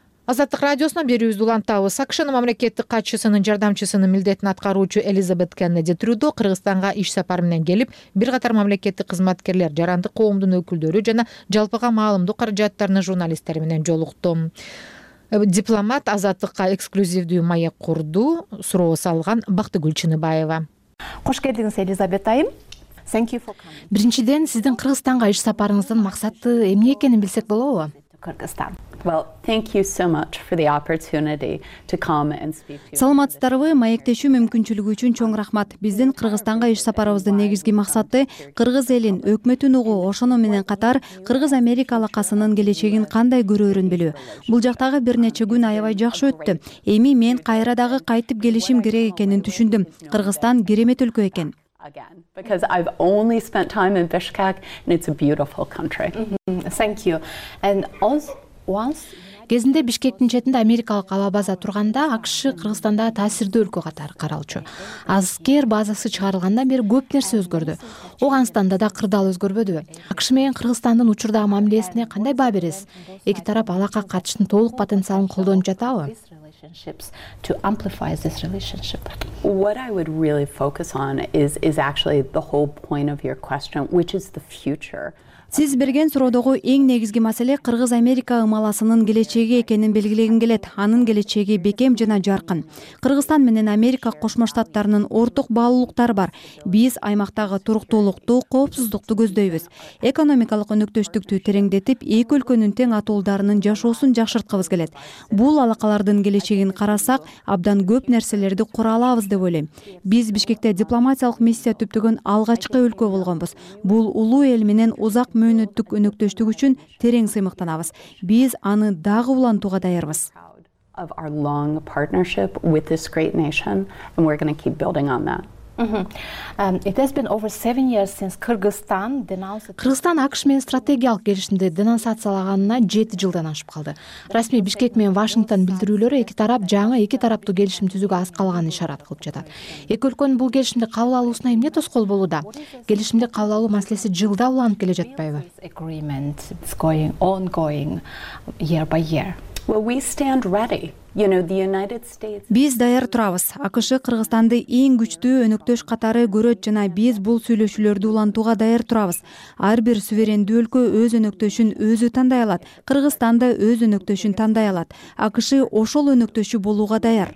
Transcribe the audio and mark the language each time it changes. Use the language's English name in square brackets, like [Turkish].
[Kyrgyz] Азаттык радиосуна берүүбүздү улантабыз. АКШнын мамлекеттик катчысынын жардамчысынын милдетин аткаруучу Элизабет Кеннеди Трюдо Кыргызстанга иш сапары менен келип, бир катар мамлекеттик кызматкерлер, жарандык коомдун өкүлдөрү жана жалпыга маалымдуу каражаттарынын журналисттери менен жолукту. Дипломат Азаттыкка эксклюзивдүү маек курду, суроо салган Бактыгүл Чыныбаева. Кош келдиңиз, Элизабет айым. [English] Thank you for coming. [Kyrgyz] Биринчиден сиздин Кыргызстанга иш сапарыңыздын максаты эмне экенин билсек болобу? Кыргызстан. [English] Well, thank you so much for the opportunity to come and speak to you. [Kyrgyz] Саламатсыздарбы, маектешүү мүмкүнчүлүгү үчүн чоң рахмат. Биздин Кыргызстанга иш сапарыбыздын негизги максаты кыргыз элин, өкмөтүн угуу, ошону менен катар кыргыз Америка алакасынын келечегин кандай көрөрүн билүү. Бул жактагы бир нече күн аябай жакшы өттү. Эми мен кайра дагы кайтып келишим керек экенин түшүндүм. Кыргызстан керемет өлкө экен. [English] Again, because I've only spent time in Bishkek and it's a beautiful country. Thank you. And once [Kyrgyz] кезинде Бишкектин четинде америкалык ала база турганда АКШ Кыргызстанда таасирдүү өлкө катары каралчу. Аскер базасы чыгарылгандан бери көп нерсе өзгөрдү. Ооганстанда да кырдаал өзгөрбөдүбү? АКШ менен Кыргызстандын учурдагы мамилесине кандай баа бересиз? Эки тарап алака катыштын толук потенциалын колдонуп жатабы? [English] To amplify this relationship. What I would really focus on is actually the whole point of your question, which is the future. [Kyrgyz] Сиз берген суроодогу эң негизги маселе кыргыз Америка ымаласынын келечеги экенин белгилегим келет. Анын келечеги бекем жана жаркын. Кыргызстан менен Америка Кошмо Штаттарынын ортак баалуулуктары бар. Биз аймактагы туруктуулукту, коопсуздукту көздөйбүз. Экономикалык өнөктөштүктү тереңдетип, эки өлкөнүн тең атуулдарынын жашоосун жакшырткыбыз келет. Бул алакалардын келечегин карасак, абдан көп нерселерди кура алабыз деп ойлойм. Биз Бишкекте дипломатиялык миссия түптөгөн алгачкы өлкө болгонбуз. Бул улуу эл менен узак мөөнөттүк өнөктөштүк үчүн терең сыймыктанабыз. Биз аны дагы улантууга даярбыз. [English] Of our long partnership with this great nation and we're going to keep building on that. It has been over 7 years since Kyrgyzstan denounced [Kyrgyz] Кыргызстан АКШ менен стратегиялык келишимди денонсациялаганына 7 жылдан ашып калды. Расмий Бишкек менен Вашингтон билдирүүлөрү эки тарап жаңы эки тараптуу келишим түзүүгө аз калганын ишарат кылып жатат. Эки өлкөнүн бул келишимди кабыл алуусуна эмне тоскоол болууда? Келишимди кабыл алуу маселеси жылда уланып келе жатпайбы? [English] Agreement is going ongoing year by year. Well, we stand ready. [Kyrgyz] Биз даяр турабыз. АКШ Кыргызстанды эң күчтүү өнөктөш катары көрөт жана биз бул сүйлөшүүлөрдү улантууга даяр турабыз. Ар бир суверендүү өлкө өз өнөктөшүн өзү тандай алат. Кыргызстан да өз өнөктөшүн тандай алат. АКШ ошол өнөктөшү болууга даяр.